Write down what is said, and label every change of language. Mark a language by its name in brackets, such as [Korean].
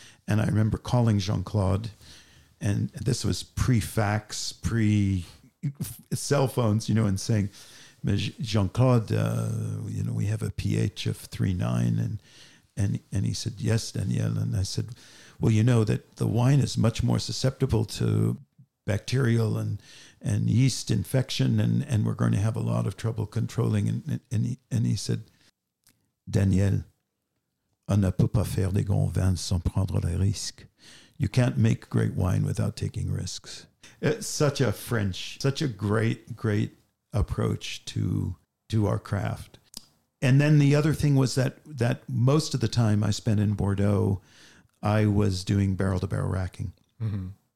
[English] And I remember calling Jean-Claude, and this was pre-fax, pre-cell phones, you know, and saying, Jean-Claude, you know, we have a pH of 3.9, and he said, yes, Daniel. And I said, well, you know that the wine is much more susceptible to bacterial and yeast infection, and we're going to have a lot of trouble controlling. [French] And he said, Daniel, on ne peut pas faire des grands vins sans prendre les risques. [English] You can't make great wine without taking risks. It's such a French, such a great approach to our craft. And then the other thing was that most of the time I spent in Bordeaux, I was doing barrel-to-barrel racking. Mm-hmm.